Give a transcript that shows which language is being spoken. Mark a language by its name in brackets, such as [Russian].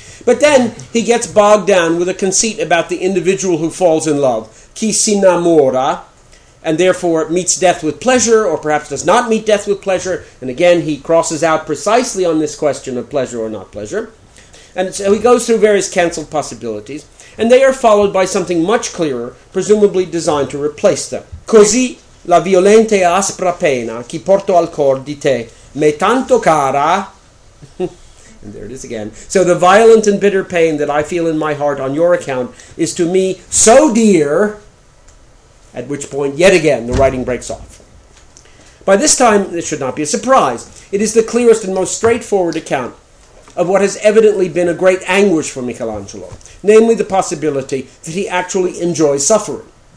[English] But then he gets bogged down with a conceit about the individual who falls in love, [Italian] chi s'innamora, [English] and therefore meets death with pleasure, or perhaps does not meet death with pleasure, and again he crosses out precisely on this question of pleasure or not pleasure. And so he goes through various cancelled possibilities, and they are followed by something much clearer, presumably designed to replace them. [Italian] Così la violente aspra pena che porto al cor di te me tanto cara. [English] And there it is again. So the violent and bitter pain that I feel in my heart on your account is to me so dear. At which point, yet again, the writing breaks off. By this time, this should not be a surprise. It is the clearest and most straightforward account of what has evidently been a great anguish for Michelangelo, namely the possibility that he actually enjoys suffering.